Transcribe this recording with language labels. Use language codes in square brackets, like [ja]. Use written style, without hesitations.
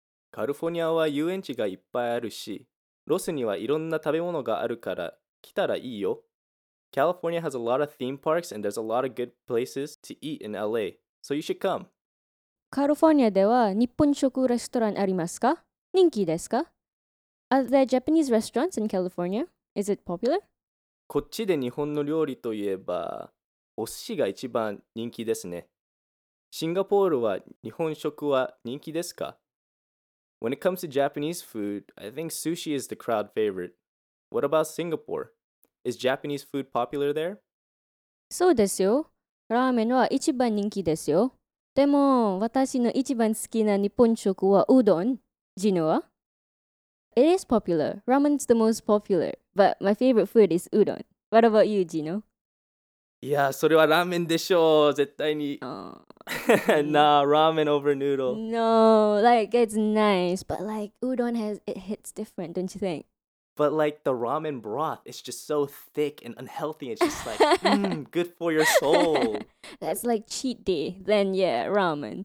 [ja] カリフォルニアは遊園地がいっぱいあるし、ロスにはいろんな食べ物があるから、来たらいいよ。 [en] California has a lot of theme parks and there's a lot of good places to eat in LA, so you should come. [ja] カリフォルニアでは日本食レストランありますか? 人気ですか? [en] Are there Japanese restaurants in California? Is it popular? [ja] こっちで日本の料理といえば、お寿司が一番人気ですね。シンガポールは日本食は人気ですか? [en] When it comes to Japanese food, I think sushi is the crowd favorite. What about Singapore? Is Japanese food popular there? [ja] そうですよ。ラーメンは一番人気ですよ。でも、私の一番好きな日本食はうどん。ジノは? [en] It is popular. Ramen's the most popular. But my favorite food is udon. What about you, Gino? [ja] いや、それはラーメンでしょう。絶対に。 [en] Nah, ramen over noodle. No, like it's nice, but like udon has, it hits different, don't you think? But like the ramen broth, it's just so thick and unhealthy. It's just like, good for your soul. That's like cheat day. Then yeah, ramen.